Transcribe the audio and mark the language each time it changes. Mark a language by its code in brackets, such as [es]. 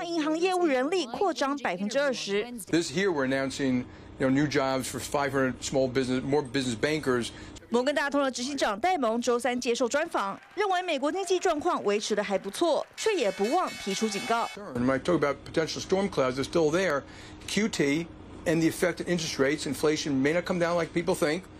[zh] 除了花旗，摩根大通早在去年8月就要求半数员工返回1周5天的实体办公。不过，这间银行巨头不裁员，反而打算在明年之前将银行业务人力扩张 20%。 [en] This year we're announcing, you know, new jobs for 500 small business, more business bankers. [zh] 摩根大通的执行长戴蒙周三接受专访，认为美国经济状况维持得还不错，却也不忘提出警告。 [en] When I talk about potential storm clouds, they're still there. QT. And the effect of interest rates, inflation may not come down like people think.